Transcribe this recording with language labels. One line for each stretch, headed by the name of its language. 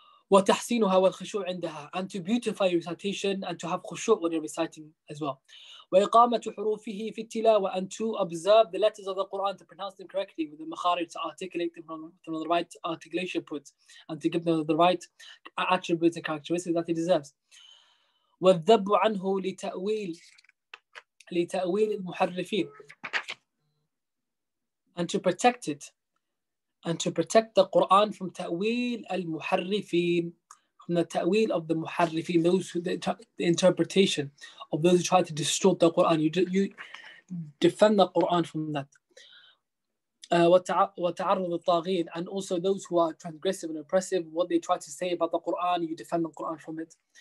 Arabic: وتحسينها والخشوع عندها,
English: and to beautify your recitation and to have خشوع when you're reciting as well.
Arabic: وإقامة حروفه في التلاوة,
English: and to observe the letters of the Quran, to pronounce them correctly with the مخارج, to articulate them from the right articulation points, and to give them the right attributes and characteristics that it deserves.
Arabic: والذب عنه لتأويل المحرفين,
English: and to protect it, and to protect the Quran from ta'wil al-muharrifin, from the ta'wil of the muharrifin, those who the interpretation of those who try to distort the Quran. You defend the Quran from that.
Arabic: وَتَعَرُّضُ الطَّاغِينَ,
English: and also those who are transgressive and oppressive, what they try to say about the Quran, you defend the Quran from it.